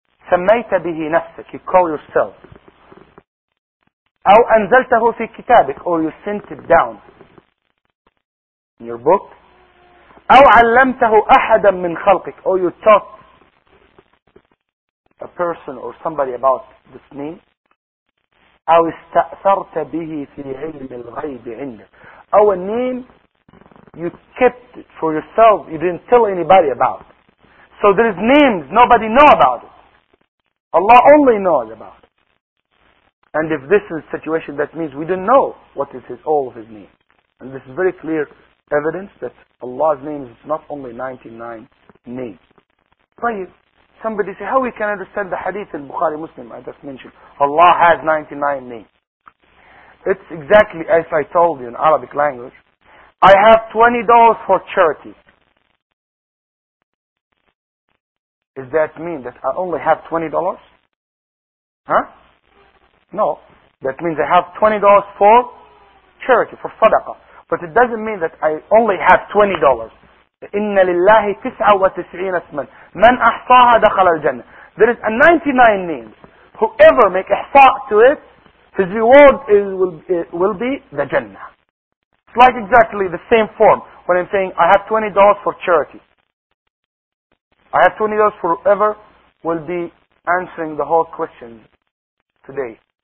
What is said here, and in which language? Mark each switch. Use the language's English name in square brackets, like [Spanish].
[Arabic] سميت به نفسك. [English] You call yourself. [Arabic] أو أنزلته في كتابك. [English] Or you sent it down. In your book. [Arabic] أو علمته أحدا من خلقك. [English] Or you taught a person or somebody about this name. [Arabic] أو استأثرت به في علم الغيب عندك. [English] أو a name you kept it for yourself. You didn't tell anybody about. So there is names, nobody know about it. Allah only knows about it. And if this is a situation, that means we don't know what is his, all of his name. And this is very clear evidence that Allah's name is not only 99 names. Right? Somebody say, how we can understand the hadith in Bukhari Muslim, I just mentioned, Allah has 99 names. It's exactly as I told you in Arabic language, I have $20 for charity. Does that mean that I only have $20? Huh? No. That means I have $20 for charity, for sadaqah. But it doesn't mean that I only have $20. [Arabic] إِنَّ لِلَّهِ 99 اسْمًا مَنْ أَحْصَاهَا دَخَلَ الْجَنَّةِ [English] There is a 99 names. Whoever make ihsa to it, his reward will be the Jannah. It's like exactly the same form when I'm saying I have $20 for charity. I have $20 forever will be answering the whole question today.